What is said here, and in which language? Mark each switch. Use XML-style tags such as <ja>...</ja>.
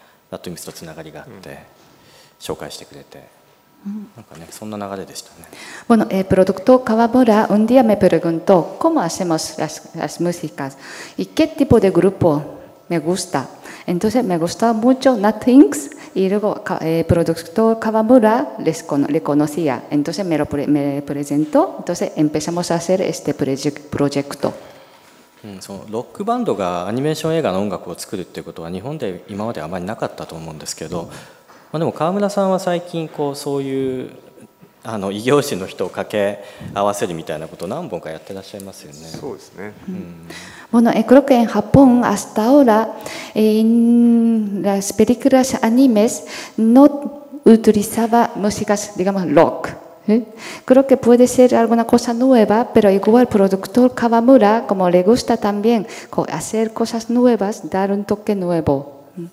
<ja>ラットウィンプスとつながりがあって紹介してくれて、なんかねそんな流れでしたね。</ja> <es>Bueno, el productor Kawamura un día me preguntó cómo hacemos las músicas y qué tipo de grupo me gusta. Entonces me gustaba mucho Nat Inks y luego el productor Kawamura le conocía. Entonces me presentó. Entonces empezamos a hacer este proyecto.</es> <ja>うん、そのロックバンドがアニメーション映画の音楽を作るっていうことは日本で今まであまりなかったと思うんですけど、まあ、でも川村さんは最近こうそういう異業種の人を掛け合わせるみたいなことを何本かやってらっしゃいますよね。そうですね。</ja> <es>Bueno, creo que en Japón hasta ahora las películas animes no utilizaba músicas, digamos, rock. Creo que puede ser alguna cosa nueva, pero igual el productor Kawamura, como le gusta también hacer cosas nuevas, dar un toque nuevo.</es>